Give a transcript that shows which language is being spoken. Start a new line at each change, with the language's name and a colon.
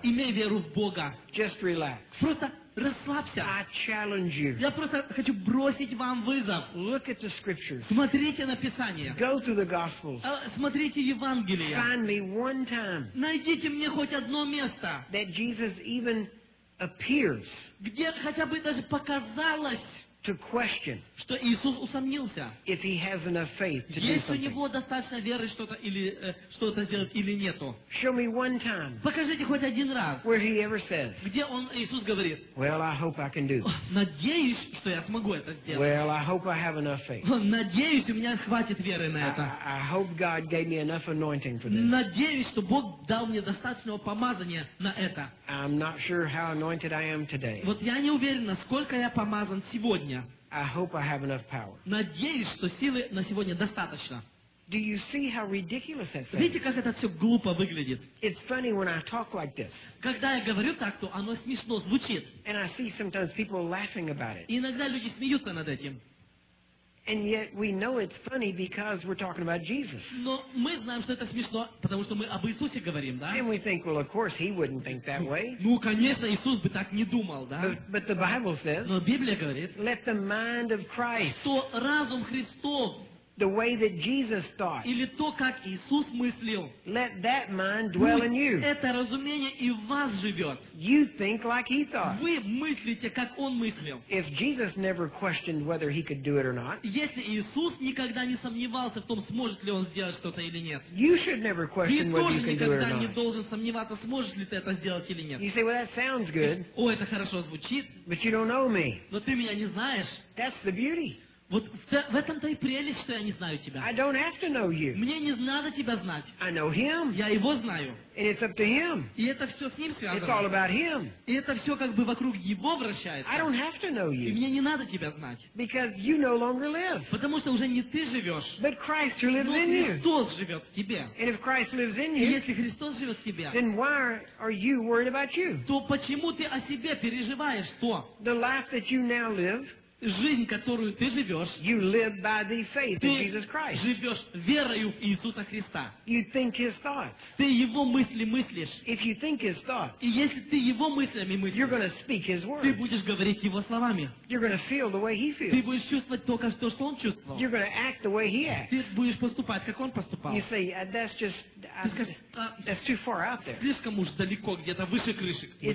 Russian: Имей веру в Бога.
English: Just relax.
Russian: Просто расслабься.
English: I challenge you.
Russian: Я просто хочу бросить вам вызов.
English: Look at the scriptures.
Russian: Смотрите на Писание.
English: Go through the Gospels.
Russian: Смотрите Евангелие.
English: Find me one time.
Russian: Найдите мне хоть одно место.
English: That Jesus even appears.
Russian: Где хотя бы даже показалось.
English: To question,
Russian: что Иисус усомнился,
English: if he has enough faith to do something.
Russian: Есть у него достаточно веры что-то или что-то сделать или нету.
English: Show me one time.
Russian: Покажите хоть один раз.
English: Where he ever says.
Russian: Где он Иисус говорит?
English: Well, I hope I can do.
Russian: Надеюсь, что я смогу это сделать.
English: Well, I hope I have enough faith.
Russian: Надеюсь, у меня хватит веры на это.
English: I hope God gave me enough anointing for this.
Russian: Надеюсь, что Бог дал мне достаточного помазания на это.
English: I'm not sure how anointed I am today.
Russian: Вот я не уверен, насколько я помазан сегодня.
English: I hope I have enough power.
Russian: Надеюсь, что силы на сегодня достаточно.
English: Do you see how ridiculous that sounds?
Russian: Видите, как это все глупо выглядит?
English: It's funny when I talk like this.
Russian: Когда я говорю так, то оно смешно звучит.
English: And I see sometimes people laughing about it.
Russian: И иногда люди смеются над этим.
English: And yet we know it's funny because we're talking about Jesus.
Russian: Но мы знаем, что это смешно, потому что мы об Иисусе говорим, да?
English: And we think, well, of course, he wouldn't think that way.
Russian: Ну, конечно, Иисус бы так не думал, да?
English: But the Bible says.
Russian: Но Библия говорит.
English: Let the mind of Christ.
Russian: Что разум Христов.
English: The way that Jesus thought.
Russian: Или то, как Иисус мыслил.
English: Let that mind dwell in you.
Russian: Это разумение и в вас живет.
English: You think like he thought.
Russian: Вы мыслите, как он мыслил.
English: If Jesus never questioned whether he could do it or not.
Russian: Если Иисус никогда не сомневался в том, сможет ли он сделать что-то или нет.
English: You should never question whether you can do it or not.
Russian: Ты тоже никогда не должен сомневаться, сможет ли ты это сделать или нет.
English: You say, well, that sounds good.
Russian: О, это хорошо звучит.
English: But you don't know me.
Russian: Но ты меня не знаешь.
English: That's the beauty.
Russian: Вот в этом-то и прелесть, что я не знаю тебя.
English: I don't have to know you.
Russian: Мне не надо тебя знать.
English: I know him.
Russian: Я его знаю.
English: And it's up to him.
Russian: И это все с ним связано.
English: It's all about him.
Russian: И это все как бы вокруг его вращается.
English: I don't have to know you.
Russian: И мне не надо тебя знать.
English: Because you no longer live.
Russian: Потому что уже не ты живешь.
English: But Christ who lives in you.
Russian: Но Христос живет в тебе.
English: And if Christ lives in you,
Russian: и если Христос живет в тебе,
English: then why are you worried about you?
Russian: То почему ты о себе переживаешь то?
English: The life that you now live,
Russian: жизнь, которую ты живешь,
English: you live by the faith in Jesus Christ.
Russian: Живешь верою в Иисуса Христа.
English: You think his thoughts.
Russian: Ты его мысли мыслишь.
English: If you think his thoughts,
Russian: и если ты его мыслями мыслишь,
English: you're going to speak his words.
Russian: Ты будешь говорить его словами.
English: You're going to feel the way he feels.
Russian: Ты будешь чувствовать только то, что он чувствовал.
English: You're going to act the way he acts.
Russian: Ты будешь поступать, как он поступал.
English: You say, that's just, that's too far out there.
Russian: Слишком уж далеко, где-то выше крыши, мы